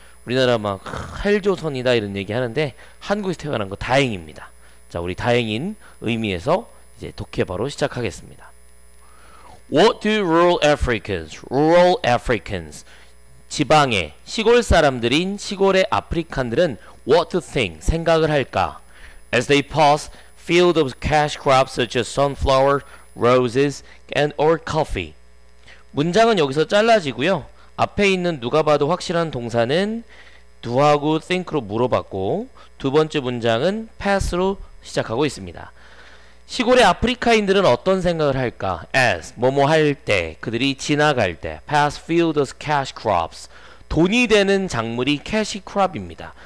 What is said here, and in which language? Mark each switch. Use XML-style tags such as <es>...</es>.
<ko>우리나라 막 헬조선이다 이런 얘기 하는데 한국에서 태어난 거 다행입니다. 자, 우리 다행인 의미에서 이제 독해 바로 시작하겠습니다.</ko> <en>What do rural Africans? Rural Africans,</en> <ko>지방의 시골 사람들인 시골의 아프리칸들은 what to think, 생각을 할까?</ko> <en>As they pass fields of cash crops such as sunflower, roses, and or coffee.</en> <ko>문장은 여기서 잘라지고요. 앞에 있는 누가 봐도 확실한 동사는 do 하고 think로 물어봤고 두 번째 문장은 pass로 시작하고 있습니다. 시골의 아프리카인들은 어떤 생각을 할까? As 뭐뭐 할 때, 그들이 지나갈 때,</ko> <en>pass fields cash crops,</en> <ko>돈이 되는 작물이 cash crop입니다.</ko>